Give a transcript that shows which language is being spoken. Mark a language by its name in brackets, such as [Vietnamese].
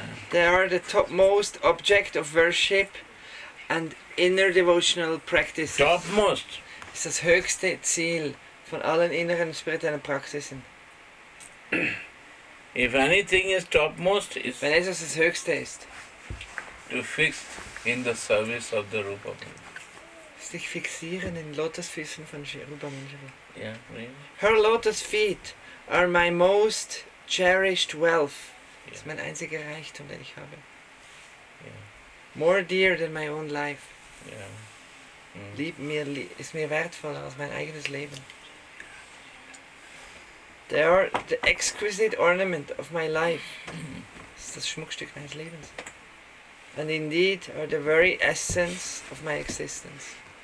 [English] They are the topmost object of worship and inner devotional practice. Topmost. [German] Das ist das höchste Ziel von allen inneren spirituellen Praxisen. [English] If anything is topmost, is [German] wenn es das höchste ist, [English] to fix in the service of the Rupa Manjari. [German] Sich fixieren in Lotusfüßen von Rupa Manjari. [English] Yeah, her lotus feet are my most cherished wealth. Yeah. [German] Das ist mein einziger Reichtum, den ich habe. [English] Yeah. More dear than my own life. Yeah. Mm. [German] Lieb mir, ist mir wertvoller als mein eigenes Leben. [English] They are the exquisite ornament of my life. [German] Das ist das Schmuckstück meines Lebens. [English] And indeed are the very essence of my existence.